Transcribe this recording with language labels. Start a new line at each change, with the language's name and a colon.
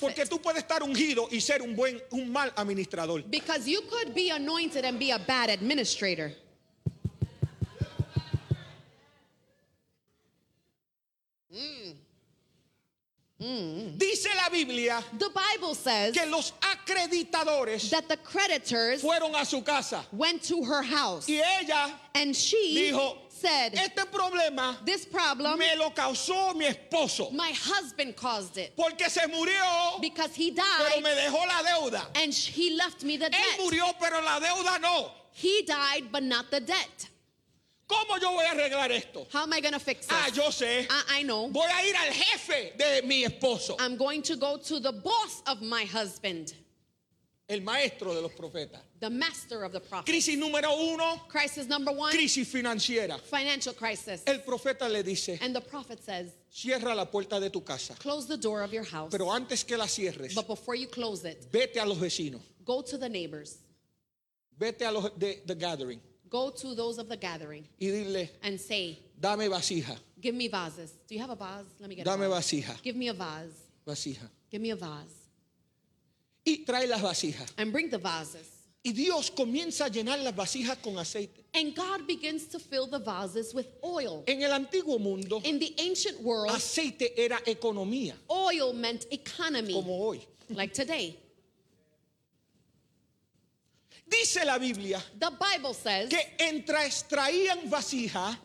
Spanish: Porque tú puedes estar ungido y ser un mal administrador.
English: Because you could be anointed and be a bad administrator.
Spanish: Dice la Biblia,
English: the Bible says,
Spanish: que los acreditadores,
English: that the creditors,
Spanish: fueron a su casa,
English: went to her house,
Spanish: y ella,
English: and she,
Spanish: dijo,
English: said,
Spanish: este problema,
English: this problem,
Spanish: me lo causó mi esposo,
English: my husband caused it,
Spanish: porque se murió,
English: because he died,
Spanish: pero me dejó la deuda,
English: and he left me the debt,
Spanish: él murió, pero la deuda no,
English: he died, but not the debt.
Spanish: ¿Cómo yo voy a arreglar esto?
English: How am I going to fix it?
Spanish: Ah, yo sé.
English: I know.
Spanish: Voy a ir al jefe de mi esposo.
English: I'm going to go to the boss of my husband.
Spanish: El maestro de los profetas.
English: The master of the prophets.
Spanish: Crisis número uno.
English: Crisis number one.
Spanish: Crisis financiera.
English: Financial crisis.
Spanish: El profeta le dice.
English: And the prophet says.
Spanish: Cierra la puerta de tu casa.
English: Close the door of your house.
Spanish: Pero antes que la cierres.
English: But before you close it.
Spanish: Vete a los vecinos.
English: Go to the neighbors.
Spanish: Vete a los
English: the gathering. Go to those of the gathering
Spanish: y dile,
English: and say,
Spanish: dame vasija.
English: Give me vases. Do you have a vase? Let me get
Spanish: dame
English: a vase.
Spanish: Vasija.
English: Give me a vase.
Spanish: Vasija.
English: Give me a vase.
Spanish: Y trae las vasijas.
English: And bring the vases.
Spanish: Y Dios comienza a llenar las vasijas con aceite.
English: And God begins to fill the vases with oil.
Spanish: En el antiguo mundo,
English: in the ancient world,
Spanish: aceite era economía.
English: Oil meant economy.
Spanish: Como hoy.
English: Like today.
Spanish: Dice la Biblia,
English: the Bible says,
Spanish: que entre extraían vasija,